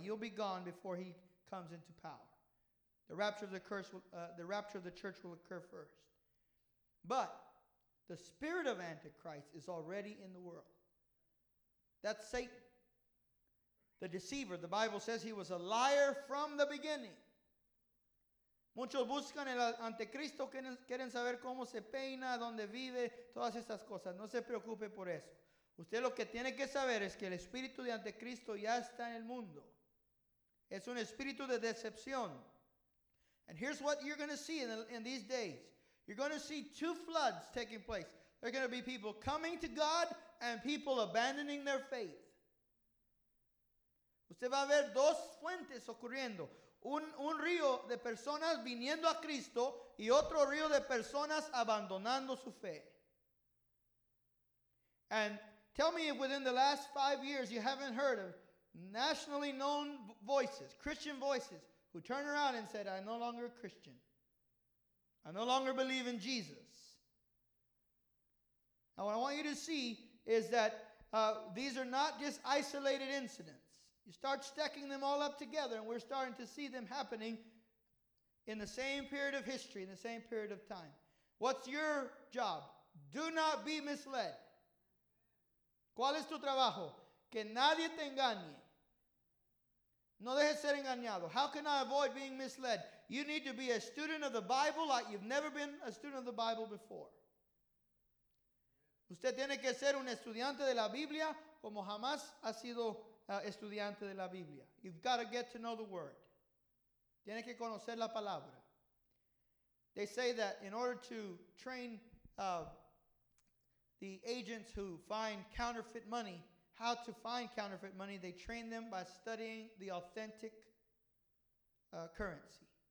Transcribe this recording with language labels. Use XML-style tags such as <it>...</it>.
<en>You'll be gone before he comes into power. The rapture of the church will occur first. But the spirit of Antichrist is already in the world. That's Satan, the deceiver. The Bible says he was a liar from the beginning.</en> <es>Muchos buscan el anticristo, quieren saber cómo se peina, dónde vive, todas esas cosas. No se preocupe por eso. Usted lo que tiene que saber es que el espíritu de anticristo ya está en el mundo. Es un espíritu de decepción.</es> <en>And here's what you're going to see in these days. You're going to see two floods taking place. There are going to be people coming to God and people abandoning their faith.</en> <es>Usted va a ver dos fuentes ocurriendo. Un río de personas viniendo a Cristo y otro río de personas abandonando su fe.</es> <en>And tell me if within the last 5 years you haven't heard of nationally known voices, Christian voices, who turn around and said, I'm no longer a Christian. I no longer believe in Jesus. Now, what I want you to see is that these are not just isolated incidents. You start stacking them all up together, and we're starting to see them happening in the same period of history, in the same period of time. What's your job? Do not be misled.</en> <es>¿Cuál es tu trabajo? Que nadie te engañe. No dejes ser engañado.</es> <en>How can I avoid being misled? You need to be a student of the Bible like you've never been a student of the Bible before.</en> <es>Usted tiene que ser un estudiante de la Biblia como jamás ha sido estudiante de la Biblia.</es> <en>You've got to get to know the Word.</en> <es>Tiene que conocer la palabra.</es> <en>They say that in order to train the agents who find counterfeit money, how to find counterfeit money, they train them by studying the authentic currency.</en>